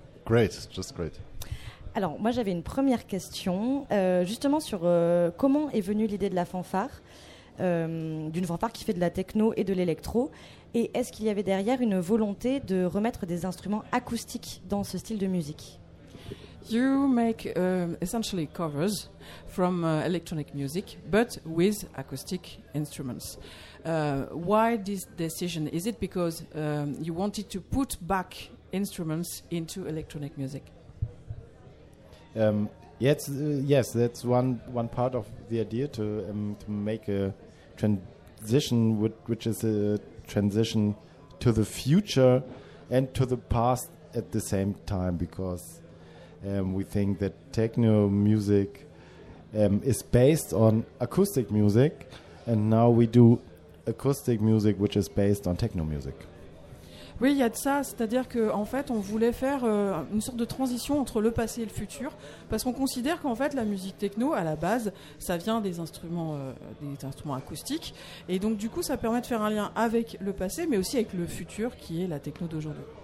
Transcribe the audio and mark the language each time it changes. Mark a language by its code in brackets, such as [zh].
[en] Great, just great. [fr] Alors, moi, j'avais une première question, justement sur comment est venue l'idée de la fanfare, d'une fanfare qui fait de la techno et de l'électro, et est-ce qu'il y avait derrière une volonté de remettre des instruments acoustiques dans ce style de musique? [en] You make essentially covers from electronic music, but with acoustic instruments. Why this decision? Is it because you wanted to put back instruments into electronic music? Yes, that's one part of the idea to make a transition, which is a transition to the future and to the past at the same time, because we think that techno music is based on acoustic music, and now we do acoustic music which is based on techno music. [fr] Oui, il y a de ça, c'est-à-dire que en fait, on voulait faire une sorte de transition entre le passé et le futur, parce qu'on considère qu'en fait, la musique techno, à la base, ça vient des instruments acoustiques, et donc du coup, ça permet de faire un lien avec le passé, mais aussi avec le futur, qui est la techno d'aujourd'hui.